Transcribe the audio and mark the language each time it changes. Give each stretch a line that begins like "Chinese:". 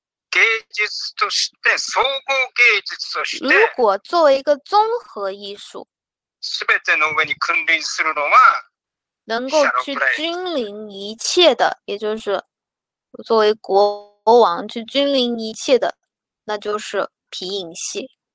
Japanese: 芸術として総合芸術として、
Chinese: 如果作为一个综合艺术，
Japanese: すべての上に君臨するのは、
Chinese: 能够去君臨一切的，也就是。作为国王去君临一切的，那就是皮影戏。